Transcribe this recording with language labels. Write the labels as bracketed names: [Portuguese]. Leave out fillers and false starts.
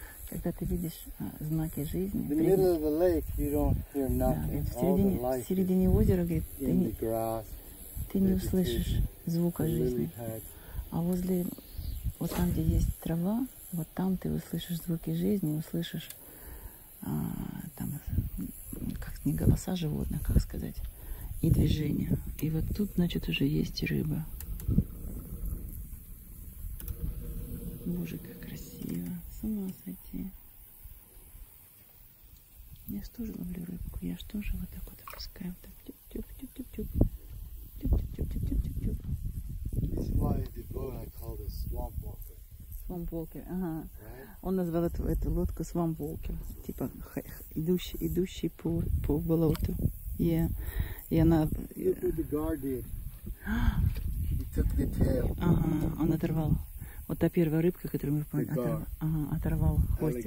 [Russian] Когда ты видишь знаки жизни. [English] In the middle of the lake, you don't hear nothing. [Russian] Да, в середине озера, говорит, ты не услышишь звука жизни. А возле, вот там, где есть трава, вот там ты услышишь звуки жизни, услышишь там как не голоса животных, как сказать. И движение. И вот тут, значит, уже есть рыба. Боже, как красиво. С ума сойти. Я же тоже ловлю рыбку. Я же тоже вот так вот опускаю. Вот так. Тюп-тюп-тюп-тюп-тюп. [English] It's why the boat I call this swamp walker. Swamp walker, [Russian] ага. [English] Right? [Russian] Он назвал эту лодку swamp walker. Типа, идущий по болоту. [English] Yeah. [Russian] Он оторвал. Вот та первая рыбка, которую мы поймали, оторвал хвостик.